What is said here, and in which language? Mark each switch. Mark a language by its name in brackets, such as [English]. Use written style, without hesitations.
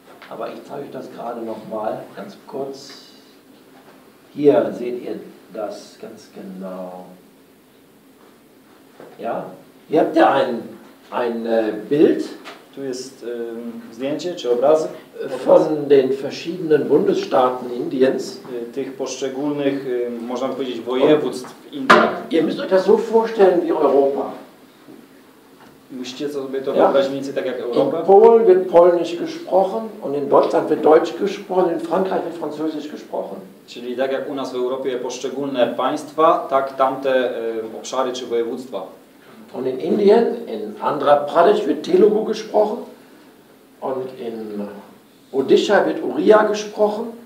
[German] Aber ich zeige euch das gerade nochmal ganz kurz. Hier seht ihr das ganz genau. Ja, hier habt ihr ein Bild [Polish] Tu jest zdjęcie czy obrazek. [German] Von den verschiedenen Bundesstaaten Indiens. [Polish] Tych poszczególnych, można powiedzieć, województw Indii. [German] Ihr müsst euch das so vorstellen wie Europa. [Polish] Musicie sobie to wyobrazić mniej więcej tak jak Europa. [German] In Polen wird polnisch gesprochen und in Deutschland wird deutsch gesprochen, in Frankreich wird französisch gesprochen. [Polish] Czyli tak jak u nas w Europie poszczególne państwa, tak tamte obszary czy województwa. [German] Und in Indien, in Andhra Pradesh wird Telugu gesprochen und in Odisha wird Uriya gesprochen.